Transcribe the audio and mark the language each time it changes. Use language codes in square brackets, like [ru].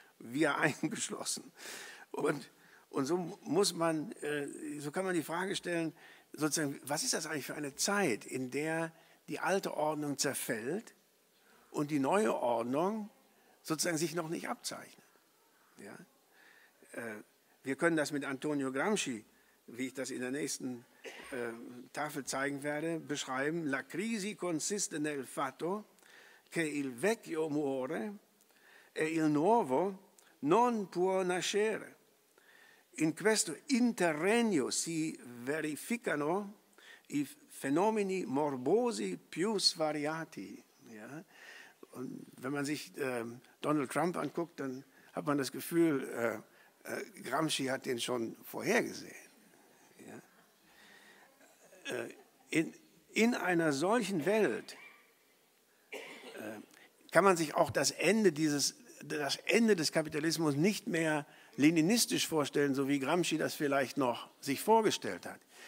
[de] Wir eingeschlossen. Und so muss man, so kann man die Frage stellen, sozusagen, was ist das eigentlich für eine Zeit, in der die alte Ordnung zerfällt und die neue Ordnung sozusagen sich noch nicht abzeichnet. Ja? Wir können das mit Antonio Gramsci, wie ich das in der nächsten Tafel zeigen werde, beschreiben. [it] La crisi consiste nel fatto che il vecchio muore e il nuovo non può nascere. In questo interregno si verificano i fenomeni morbosi più svariati. [de] Ja? Und wenn man sich Donald Trump anguckt, dann hat man das Gefühl, Gramsci hat den schon vorhergesehen. Ja? In einer solchen Welt kann man sich auch das Ende des Kapitalismus nicht mehr leninistisch vorstellen, so wie Gramsci das vielleicht noch sich vorgestellt hat.